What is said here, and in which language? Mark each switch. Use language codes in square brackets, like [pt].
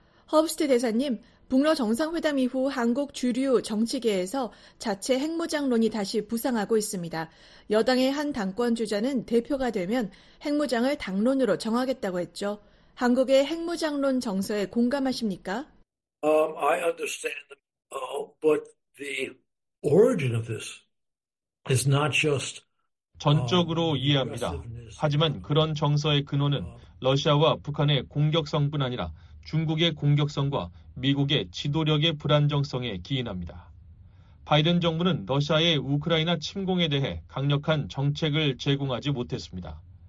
[ko] 허브스트 대사님, 북러 정상회담 이후 한국 주류 정치계에서 자체 핵무장론이 다시 부상하고 있습니다. 여당의 한 당권 주자는 대표가 되면 핵무장을 당론으로 정하겠다고 했죠. 한국의 핵무장론 정서에 공감하십니까? [en] I understand, but the origin of this is not just [ko] 전적으로 이해합니다. 하지만 그런 정서의 근원은 러시아와 북한의 공격성뿐 아니라 중국의 공격성과 미국의 지도력의 불안정성에 기인합니다. 바이든 정부는 러시아의 우크라이나 침공에 대해 강력한 정책을 제공하지 못했습니다.